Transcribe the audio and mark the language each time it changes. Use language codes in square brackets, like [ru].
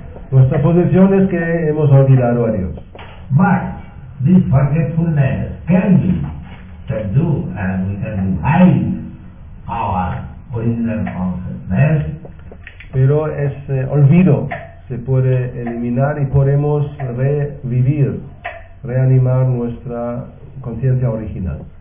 [es] Nuestra posición es que hemos olvidado a Dios. [en] But this forgetfulness can be subdued and we can revive our original consciousness [es] pero ese olvido se puede eliminar y podemos revivir, reanimar nuestra conciencia original.